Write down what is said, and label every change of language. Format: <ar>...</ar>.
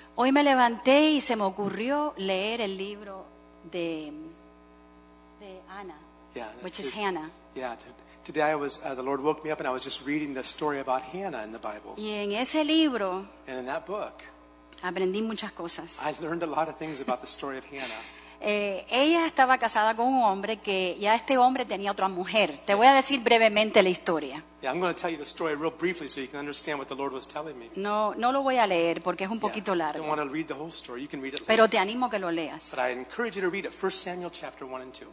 <es>Hoy me levanté y se me ocurrió leer el libro de Ana,</es> <en>yeah, which is Hannah. Yeah, today I was the Lord woke me up and I was just reading the story about Hannah in the Bible.</en> <es>Y en ese libro,</es> <en>and in that book,</en> <es>aprendí muchas cosas.</es> <en>I learned a lot of things about the story of Hannah.</en> <es>Ella estaba casada con un hombre que ya este hombre tenía otra mujer. Te voy a decir brevemente la historia.</es> <en>Yeah, I'm going to tell you the story real briefly so you can understand what the Lord was telling me.</en> <es>No lo voy a leer porque es un poquito largo.</es> <en>You don't want to read the whole story. You can read it later.</en> <es>Pero te animo a que lo leas.</es> <en>But I encourage you to read it, 1 Samuel chapter 1 and 2.</en>